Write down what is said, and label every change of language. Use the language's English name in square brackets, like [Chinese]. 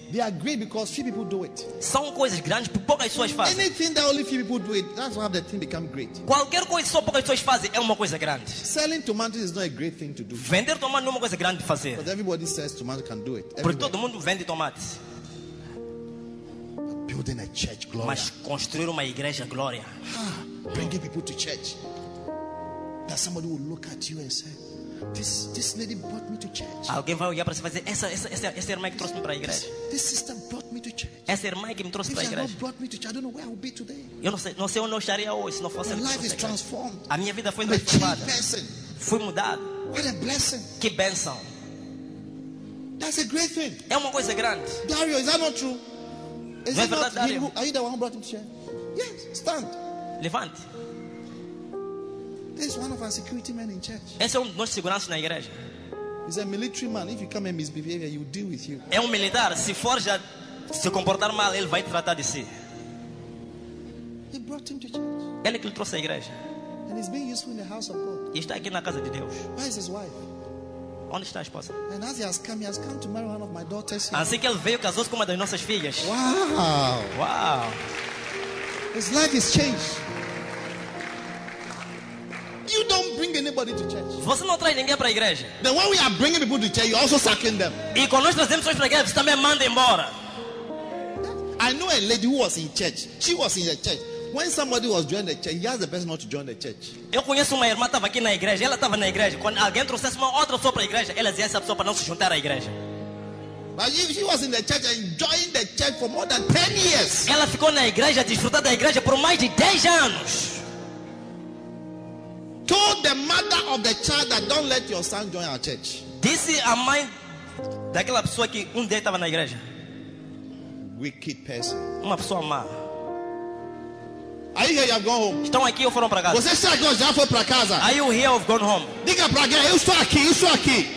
[English] They are great because few people do it. [Portuguese] São coisas grandes porque poucas pessoas fazem. [English] Anything that only few people do it, that's why the thing become great. [Portuguese] Qualquer coisa só poucas pessoas fazem é uma coisa grande. [English] Selling tomatoes is not a great thing to do. [Portuguese] Vender tomate não é uma coisa grande de fazer. [English] But everybody says tomato can do it. [Portuguese] Porque todo mundo vende tomates. [English] Building a church, glória. [Portuguese] Mas construir uma igreja, glória. [English] Ah, bringing people to church. That somebody will look at you and say, this lady brought me to church. [Portuguese] Alguém vai olhar para você e dizer, essa irmã que trouxe-me para a igreja. [English] This sister brought me to church. [Portuguese] Essa irmã que me trouxe para a igreja. [English] She brought me to church. I don't know where I will be today. [Portuguese] Eu não sei onde eu estaria hoje se não fosse ela. [English] My life is transformed. [Portuguese] A minha vida foi transformada. Fui mudado. [English] What a blessing. [Portuguese] Que bênção. [English] That's a great thing. [Portuguese] É uma coisa grande. [English] Dario, is that not true? Is it not him who, are you the one who brought him to share? Yes, stand. [Portuguese] Levante. [English] This is one of our security men in church. [Portuguese] Esse é um dos seguranças na igreja. [English] He's a military man. If you come and misbehave, he will deal with you. [Portuguese] É um militar. Se for já se comportar mal, ele vai tratar de si. [English] He brought him to church. [Portuguese] Ele que o trouxe à igreja. [English] And he's being useful in the house of God. [Portuguese] E está aqui na casa de Deus. [English] Where is his wife? [Portuguese] Onde está a esposa? [English] And as he has come to marry one of my daughters. [Portuguese] Assim que ele veio, casou-se com uma das nossas filhas. [English] Wow. Wow. His life is changed. You don't bring anybody to church. [Portuguese] Você não traz ninguém para a igreja. [English] Then when we are bringing people to church, you're also sacking them. [Portuguese] E quando nós trazemos pessoas para a igreja, você também manda embora. [English] I know a lady who was in church. She was in the church. When somebody was joining the church, he asked the person not to join the church. [Portuguese] Eu conheço uma irmã que estava aqui na igreja. Ela estava na igreja. Quando alguém trouxesse uma outra pessoa para a igreja, ela dizia essa pessoa para não se juntar à igreja. [English] But she was in the church and joined the church for more than 10 years. [Portuguese] Ela ficou na igreja, desfrutou da igreja por mais de 10 anos. [English] Told the mother of the child that don't let your son join our church. [Portuguese] Disse a mãe daquela pessoa que dia estava na igreja. [English] Wicked person. [Portuguese] Uma pessoa má. [English] Are you here? You have gone home. [Portuguese] Estão aqui ou foram para casa? Você está aqui ou já foi para casa? [English] Are you here or gone home? [Portuguese] Diga para alguém, eu estou aqui, eu estou aqui.